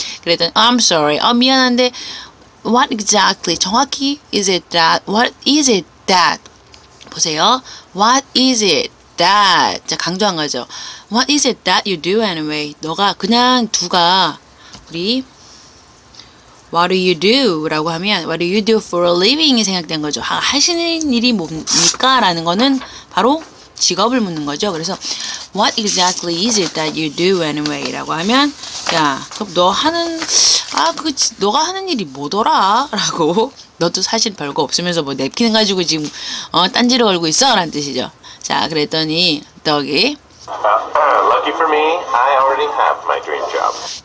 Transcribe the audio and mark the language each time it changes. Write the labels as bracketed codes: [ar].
[ko] 그랬더니 [en] I'm sorry, [ko] 미안한데 [en] What exactly, [ko] 정확히 [en] is it that, what is it that [ko] 보세요, [en] what is it that [ko] 자, 강조한 거죠. [en] What is it that you do anyway [ko] 너가 그냥 두가 우리 [en] What do you do? [ko] 라고 하면 [en] What do you do for a living? [ko] 이 생각된 거죠. 하시는 일이 뭡니까? 라는 거는 바로 직업을 묻는 거죠. [en] 그래서 What exactly is it that you do anyway? [ko] 라고 하면 야, 그럼 너 하는 너가 하는 일이 뭐더라? 라고 너도 사실 별거 없으면서 뭐 냅킨 가지고 지금 딴지를 걸고 있어? 라는 뜻이죠. 자, 그랬더니 덕이 [en] Lucky for me, I already have my dream job.